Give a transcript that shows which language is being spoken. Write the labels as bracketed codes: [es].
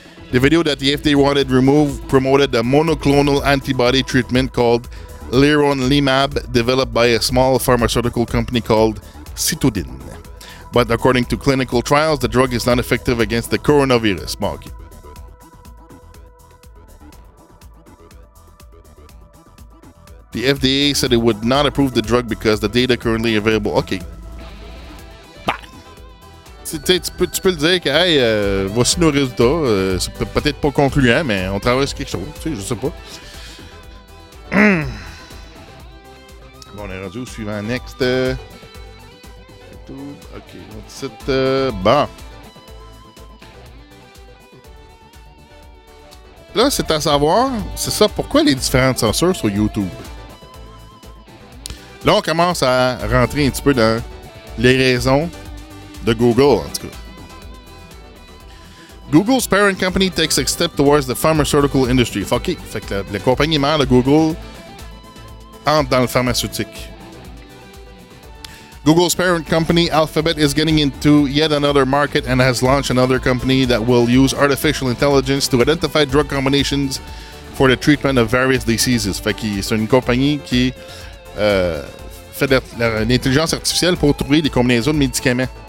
[en] The video that the FDA wanted removed promoted a monoclonal antibody treatment called leronlimab, developed by a small pharmaceutical company called Citudin. But according to clinical trials, the drug is not effective against the coronavirus. Bon, okay. The FDA said it would not approve the drug because the data currently available. Okay. [fr] Tu peux le dire que hey, voici nos résultats. C'est peut-être pas concluant, mais on travaille sur quelque chose. Tu sais, je sais pas. Bon, on est rendu au suivant. Next. Ok, on cite. Bon. Là, c'est à savoir, c'est ça, pourquoi les différentes censures sur YouTube? Là, on commence à rentrer un petit peu dans les raisons. De Google, en tout cas. [en] Google's parent company takes a step towards the pharmaceutical industry. Fuck it. [fr] Fait que la compagnie mère de Google entre dans le pharmaceutique. [en] Google's parent company, Alphabet, is getting into yet another market and has launched another company that will use artificial intelligence to identify drug combinations for the treatment of various diseases. [fr] Fait que c'est une compagnie qui fait de l'intelligence artificielle pour trouver des combinaisons de médicaments.